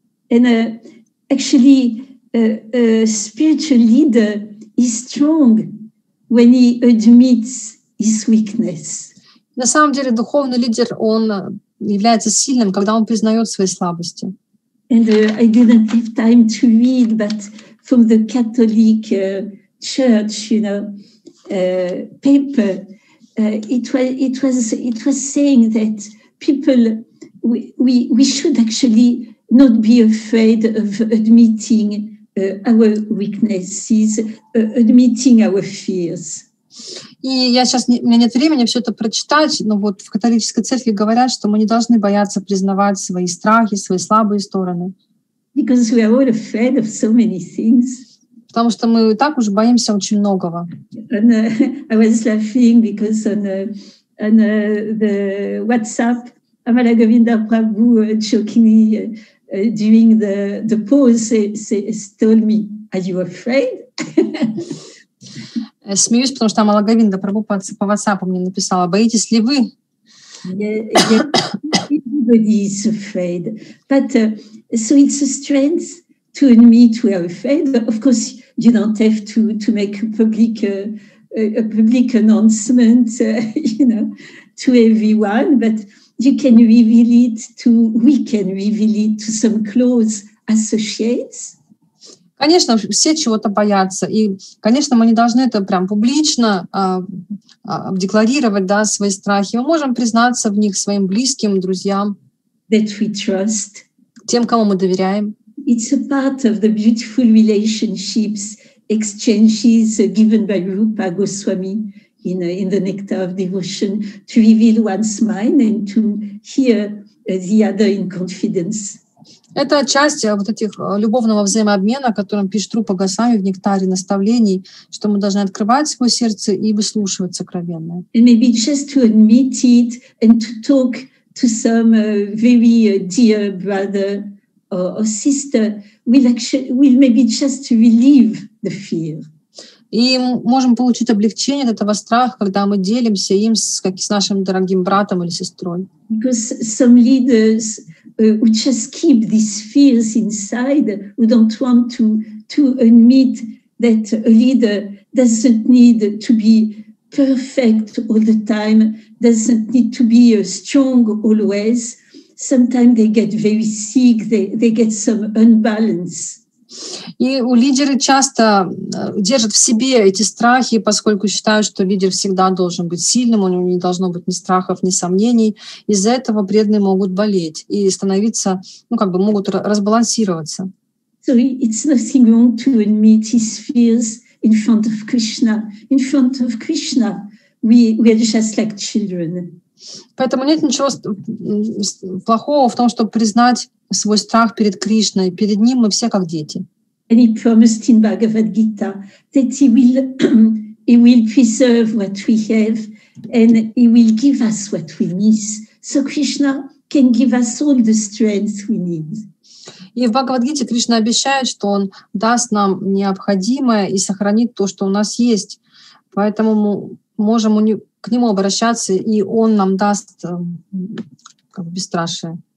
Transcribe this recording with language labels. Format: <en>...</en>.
<en>And actually, a spiritual leader is strong when he admits his weakness.</en> <ru>На самом деле, духовный лидер он является сильным, когда он признает свои слабости.</ru> <en>And I didn't have time to read, but from the Catholic Church, you know, paper, it was saying that people we should actually not be afraid of admitting our weaknesses, admitting our fears.</en> <ru>И я сейчас, у меня нет времени все это прочитать, но вот в католической церкви говорят, что мы не должны бояться признавать свои страхи, свои слабые стороны.</ru> <en>Because we are all afraid of so many things.</en> <ru>Потому что мы и так уж боимся очень многого.</ru> <en>And, I was laughing because on the WhatsApp, Amala Govinda Prabhu jokingly during the pause told me, are you afraid?</en> <ru>Я смеюсь, потому что Амала Говинда Прабху по WhatsApp мне написала, боитесь ли вы?</ru> <en>Everybody is afraid. But so it's a strength to admit we are afraid. Of course, you don't have to make a public announcement, you know, to everyone, but you can reveal it to, we can reveal it to some close associates.</en> <ru>Конечно, все чего-то боятся. И, конечно, мы не должны это прям публично декларировать, да, свои страхи. Мы можем признаться в них своим близким, друзьям.</ru> <en>That we trust.</en> <ru>Тем, кому мы доверяем.</ru> <en>It's a part of the beautiful relationships, exchanges given by Rupa Goswami in the Nectar of Devotion to reveal one's mind and to hear the other in confidence.</en> <ru>Это часть вот этих любовного взаимообмена, о котором пишет Рупа Госвами в «Нектаре наставлений», что мы должны открывать свое сердце и выслушивать сокровенно.</ru> <en>And maybe just to admit it and to talk to some very dear brother or sister will maybe just relieve the fear.</en> <ru>И можем получить облегчение от этого страха, когда мы делимся им с нашим дорогим братом или сестрой.</ru> <en>Because some leaders who just keep these fears inside, who don't want to admit that a leader doesn't need to be perfect all the time, doesn't need to be strong always. Sometimes they get very sick, they get some unbalance.</en> <ru>И у лидеры часто держат в себе эти страхи, поскольку считают, что лидер всегда должен быть сильным, у него не должно быть ни страхов, ни сомнений. Из-за этого преданные могут болеть и становиться, ну как бы могут разбалансироваться.</ru> <en>So it's nothing wrong to admit his fears in front of Krishna. In front of Krishna, we are just like children.</en> <ru>Поэтому нет ничего плохого в том, чтобы признать свой страх перед Кришной. Перед ним мы все как дети.</ru> <en>And he promised in Bhagavad Gita that he will preserve what we have and he will give us what we miss. So Krishna can give us all the strength we need.</en> <ru>И в Бхагавад-гите Кришна обещает, что он даст нам необходимое и сохранит то, что у нас есть. Поэтому мы можем к нему обращаться, и он нам даст как бы бесстрашие.</ru>